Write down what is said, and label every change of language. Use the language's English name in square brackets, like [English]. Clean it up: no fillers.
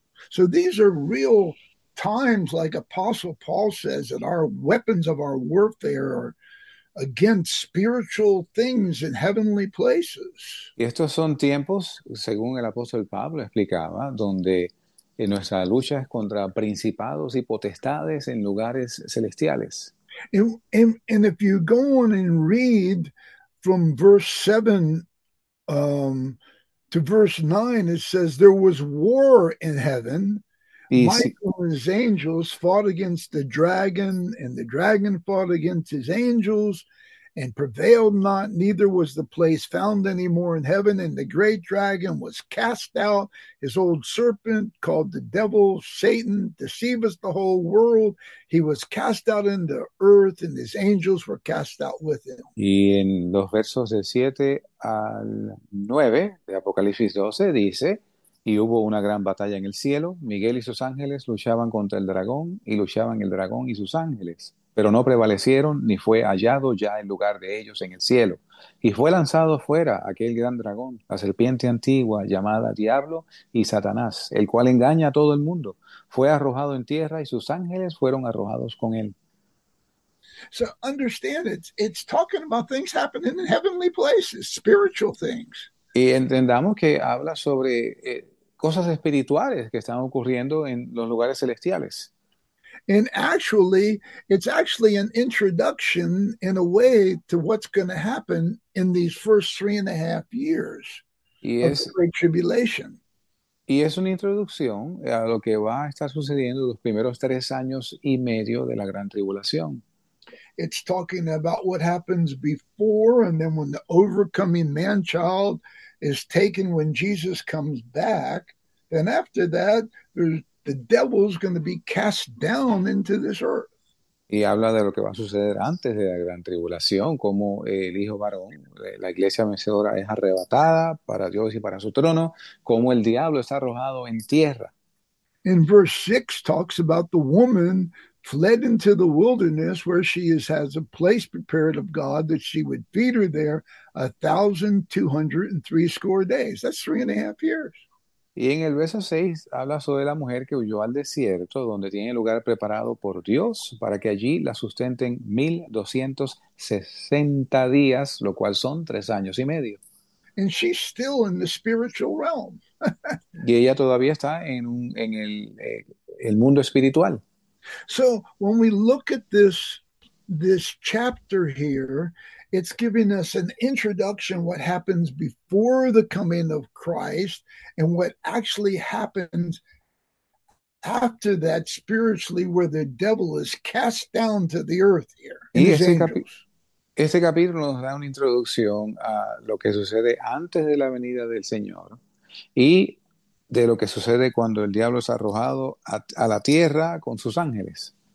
[English] So these are real times, like Apostle Paul says, that our weapons of our warfare are against spiritual things in heavenly places. [Spanish] Y estos son tiempos, según el apóstol Pablo explicaba, donde en nuestra lucha es contra principados y potestades en lugares celestiales. [English] And if you go on and read from verse 7 to verse 9, it says there was war in heaven. Michael and his angels fought against the dragon, and the dragon fought against his angels and prevailed not, neither was the place found anymore in heaven, and the great dragon was cast out, his old serpent called the devil, Satan, deceiveth the whole world. He was cast out into earth, and his angels were cast out with him. [Spanish] Y en los versos de 7 al 9 de Apocalipsis 12 dice, y hubo una gran batalla en el cielo, Miguel y sus ángeles luchaban contra el dragón, y luchaban el dragón y sus ángeles. Pero no prevalecieron, ni fue hallado ya el lugar de ellos en el cielo. Y fue lanzado fuera aquel gran dragón, la serpiente antigua, llamada Diablo y Satanás, el cual engaña a todo el mundo. Fue arrojado en tierra, y sus ángeles fueron arrojados con él. [English] So understand, it's talking about things happening in heavenly places, spiritual things. [Spanish] Y entendamos que habla sobre cosas espirituales que están ocurriendo en los lugares celestiales. [English] And actually, it's actually an introduction in a way to what's going to happen in these first 3.5 years of the Great Tribulation. [Spanish] Y es una introducción a lo que va a estar sucediendo los primeros 3 años y medio de la Gran Tribulación. [English] It's talking about what happens before, and then when the overcoming man-child is taken, when Jesus comes back, then after that, the devil is going to be cast down into this earth. [Spanish] Y habla de lo que va a suceder antes de la gran tribulación, como el hijo varón, la iglesia vencedora es arrebatada para Dios y para su trono, como el diablo está arrojado en tierra. [English] In verse 6 talks about the woman fled into the wilderness where she has a place prepared of God that she would feed her there 1,260 days. That's 3.5 years. [Spanish] Y en el verso 6 habla sobre la mujer que huyó al desierto, donde tiene lugar preparado por Dios para que allí la sustenten 1,260 días, lo cual son 3 años y medio. [English] And she's still in the spiritual realm. [Spanish] Y ella todavía está en el mundo espiritual. [English] So when we look at this chapter here, It's giving us an introduction, what happens before the coming of Christ and what actually happens after that spiritually, where the devil is cast down to the earth here and [Spanish] Y [English] his angels. [Spanish] este capítulo nos da una introducción a lo que sucede antes de la venida del Señor y de lo que sucede cuando el diablo es arrojado a la tierra con sus ángeles.